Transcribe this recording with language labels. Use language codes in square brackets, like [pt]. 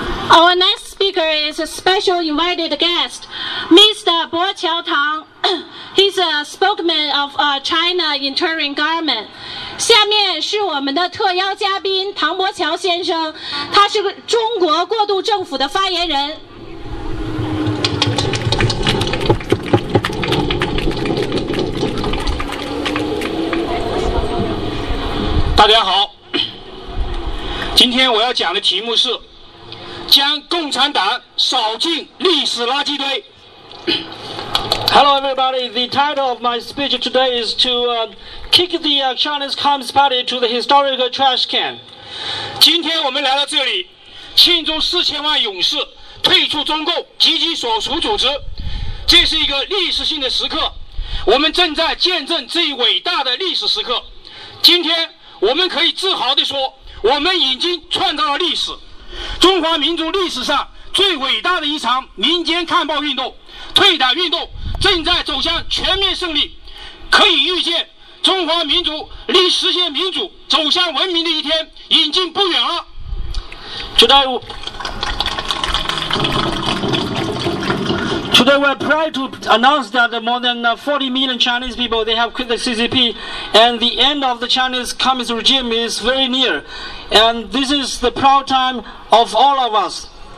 [en] Our next speaker is a special invited guest, Mr. Bo Qiaotang. He's a spokesman of China Interim Government. [zh] 下面是我们的特邀嘉宾唐伯乔先生，他是中国过渡政府的发言人。天我要讲的题目是将共产党扫进历史垃圾堆。 [en] Hello everybody, the title of my speech today is to kick the Chinese Communist Party to the historical trash can. [zh] 今天我们来到这里庆祝四千万勇士退出中共及其所属组织，这是一个历史性的时刻，我们正在见证这一伟大的历史时刻。今天我们可以自豪地说，我们已经创造了历史，中华民族历史上最伟大的一场民间抗暴运动、退党运动正在走向全面胜利。可以预见，中华民族离实现民主、走向文明的一天已经不远了。 [en] Today we are proud to announce that more than 40 million Chinese people they have quit the CCP, and the end of the Chinese communist regime is very near. And this is the proud time of all of us.